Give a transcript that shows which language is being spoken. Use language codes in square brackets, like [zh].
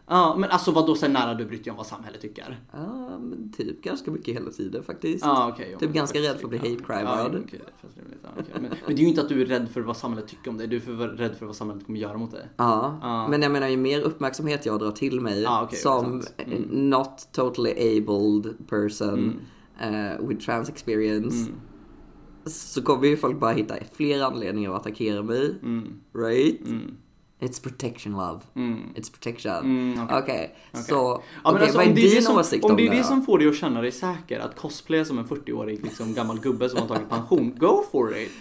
[sv] Ja, men alltså vadå, så nära du bryter ju om vad samhället tycker. Ja, men typ ganska mycket hela tiden faktiskt. Ja, okej, typ ganska rädd för att bli hate crime. Ja, okej, okay, okay. Men det är ju inte att du är rädd för vad samhället tycker om dig. Du är för rädd för vad samhället kommer göra mot dig. Ja, men jag menar ju mer uppmärksamhet jag drar till mig. Ja, okay, [en] som not totally abled person with trans experience. [sv] Så kommer ju folk bara hitta fler anledningar att attackera mig. [en] Right? It's protection, love. It's protection. Okej, okay. Okay. Okay. Okay. Okay. Alltså, [sv] vad är din åsikt om det? Om det är det som får dig att känna dig säker, att cosplaya som en 40-årig liksom, gammal gubbe som har tagit pension, go for it.